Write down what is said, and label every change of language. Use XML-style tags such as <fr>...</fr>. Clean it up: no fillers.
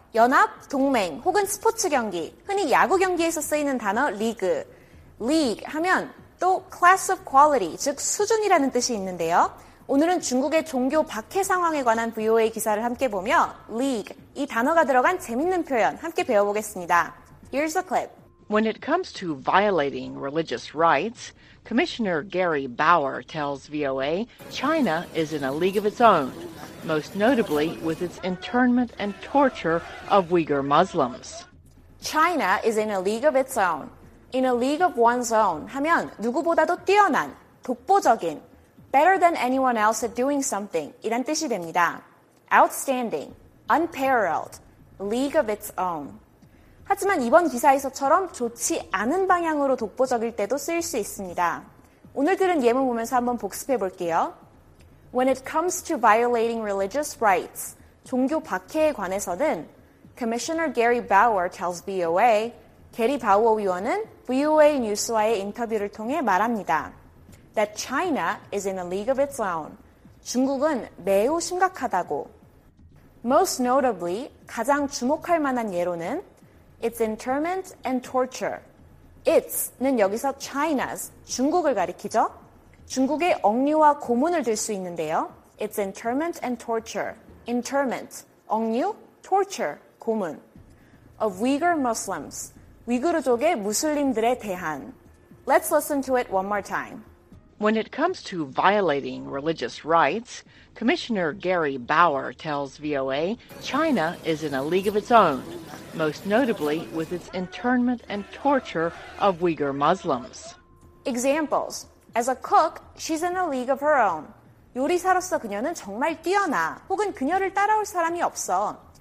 <ko>연합, 동맹 혹은 스포츠 경기, 흔히 야구 경기에서 쓰이는 단어 리그. League 하면 또</ko> <en>class of quality,</en> <ko>즉 수준이라는 뜻이 있는데요. 오늘은 중국의 종교 박해 상황에 관한 VOA 기사를 함께 보며 League, 이 단어가 들어간 재밌는 표현 함께 배워보겠습니다.</ko> <en>Here's a clip. When it comes to violating religious rights, Commissioner Gary Bauer tells VOA China is in a league of its own, most notably with its internment and torture of Uyghur Muslims. China is in a league of its own. In a league of one's own</en> <ko>하면 누구보다도 뛰어난, 독보적인,</ko> <en>better than anyone else at doing something</en> <ko>이란 뜻이 됩니다.</ko> <en>Outstanding, unparalleled, league of its own.</en> <ko>하지만 이번 기사에서처럼 좋지 않은 방향으로 독보적일 때도 쓰일 수 있습니다. 오늘 들은 예문 보면서 한번 복습해 볼게요.</ko> <en>When it comes to violating religious rights,</en> <ko>종교 박해에 관해서는</ko> <en>Commissioner Gary Bauer tells VOA,</en> <ko>게리 바우어 위원은 VOA 뉴스와의 인터뷰를 통해 말합니다.</ko> <en>That China is in a league of its own.</en> <ko>중국은 매우 심각하다고.</ko> <en>Most notably,</en> <ko>가장 주목할 만한 예로는</ko> <en>It's internment and torture.</en> <ko>It's는 여기서 China's, 중국을 가리키죠. 중국의 억류와 고문을 들 수 있는데요.</ko> <en>It's internment and torture. Internment, 억류, torture, 고문. Of Uyghur Muslims,</en> <ko>위구르족의 무슬림들에 대한.</ko> <en>Let's listen to it one more time. When it comes to violating religious rights, Commissioner Gary Bauer tells VOA China is in a league of its own, most notably with its internment and torture of Uyghur Muslims. Examples. As a cook, she's in a league of her own.</en> <ko>요리사로서 그녀는 정말 뛰어나, 혹은 그녀를 따라올 사람이 없어.</ko>